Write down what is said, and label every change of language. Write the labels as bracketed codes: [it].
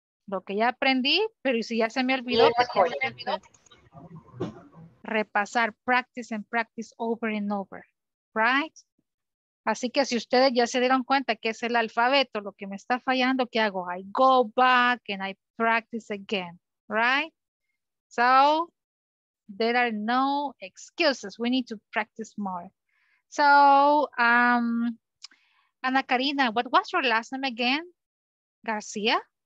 [es] Lo que ya aprendí, pero si ya se me olvidó, pues ya se me olvidó. [en] Repasar, practice and practice over and over, right? [es] Así que si ustedes ya se dieron cuenta que es el alfabeto, lo que me está fallando, ¿qué hago? [en] I go back and I practice again, right? So, there are no excuses. We need to practice more. So, Ana Karina, what was your last name again? Garcia?